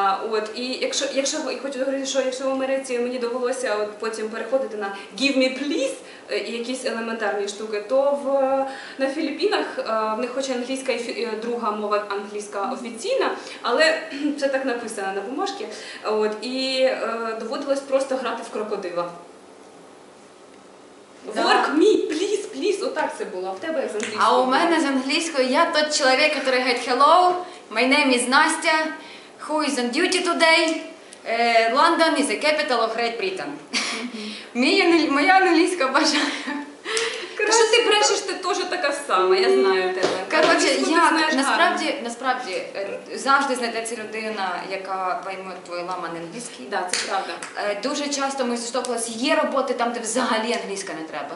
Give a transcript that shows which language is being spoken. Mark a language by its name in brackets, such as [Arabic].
[Ukrainian] От, і якщо я хочу говорити, що якщо в Америці мені довелося от потім переходити на [English] give me please [Ukrainian] і якісь елементарні штуки, то на Філіппінах в них хоч англійська і друга мова англійська офіційна, але це так написано на бумажці. От, і доводилось просто грати в крокодила. [English] Work me, please, please. [Ukrainian] Отак це було. А в тебе з англійською? А у мене з англійською. Я тот чоловік, який говорить [English] hello, my name is Настя, who is on duty today? London is the capital of Great Britain. [Ukrainian] Моя англійська бажає. Та що ти брешеш, ти теж така сама, я знаю тебе. Коротше, насправді завжди знайдеться людина, яка пойме твій ламаний англійський. Так, це правда. Дуже часто ми зіштовхувалися, є роботи там, де взагалі англійська не треба.